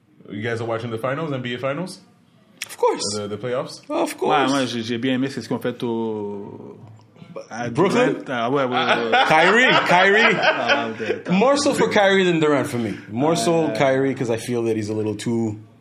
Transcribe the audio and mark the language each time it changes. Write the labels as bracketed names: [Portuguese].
[English] You guys are watching the finals, NBA finals? Of course. The playoffs? Of course. [French] Ouais, moi, j'ai bien aimé ce qu'on fait au... [English] Brooklyn? Kyrie. More so for Kyrie than Durant for me. More so Kyrie, because I feel that he's a little too...